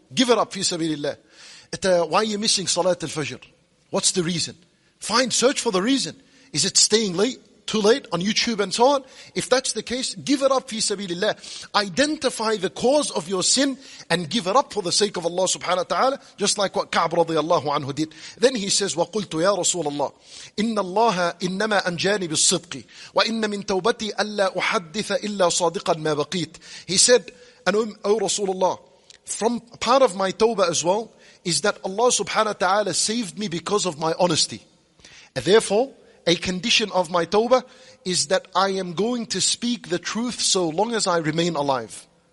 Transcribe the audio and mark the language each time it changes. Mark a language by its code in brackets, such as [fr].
[en] Give it up fi sabilillah. Why are you missing Salat al-Fajr? What's the reason? Search for the reason. Is it staying late, too late on YouTube and so on? If that's the case, give it up fi sabilillah. Identify the cause of your sin and give it up for the sake of Allah subhanahu wa ta'ala, just like what Ka'ab radiallahu anhu did. Then he says, [ar] وَقُلْتُ يَا رَسُولَ اللَّهِ إِنَّ اللَّهَ إِنَّمَا أَنْجَانِ بِالصِّدْقِ وَإِنَّ مِنْ تَوْبَتِي أَلَّا أُحَدِّثَ إِلَّا صَادِقًا مَا بَقِيتْ. [en] He said, O Rasulullah, from part of my tawbah as well, is that Allah subhanahu wa ta'ala saved me because of my honesty. And therefore, a condition of my tawbah is that I am going to speak the truth so long as I remain alive.